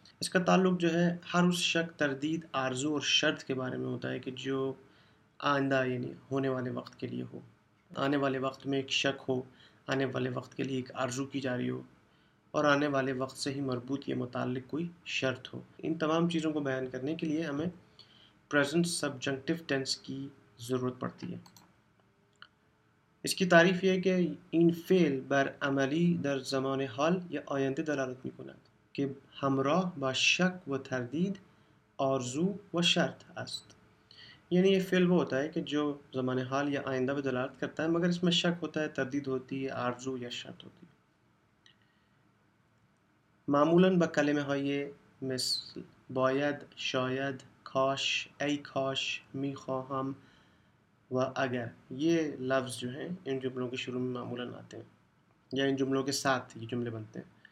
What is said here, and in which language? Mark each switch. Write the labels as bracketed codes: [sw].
[ur] اس کا تعلق جو ہے ہر اس شک، تردید، آرزو اور شرط کے بارے میں ہوتا ہے کہ جو آئندہ یعنی ہونے والے وقت کے لیے ہو. آنے والے وقت میں ایک شک ہو، آنے والے وقت کے لیے ایک آرزو کی جا رہی ہو، اور آنے والے وقت سے ہی مربوط یا متعلق کوئی شرط ہو. ان تمام چیزوں کو بیان کرنے کے لیے ہمیں پریزنٹ سبجنکٹیو ٹینس کی ضرورت پڑتی ہے. اس کی تعریف یہ ہے کہ [fa] ان فعل بر عملی در زمان حال یا آئندہ دلالت می کند کہ ہمراہ با شک و تردید، آرزو و شرط است. [ur] یعنی یہ فعل وہ ہوتا ہے کہ جو زمان حال یا آئندہ پہ دلالت کرتا ہے، مگر اس میں شک ہوتا ہے، تردید ہوتی ہے، آرزو یا شرط ہوتی ہے. [fa] معمولاً بکلمہ ہائیے مثل باید، شاید، کاش، ای کاش، می خواہم و اگر، [ur] یہ لفظ جو ہیں ان جملوں کے شروع میں معمولاً آتے ہیں، یا ان جملوں کے ساتھ یہ جملے بنتے ہیں.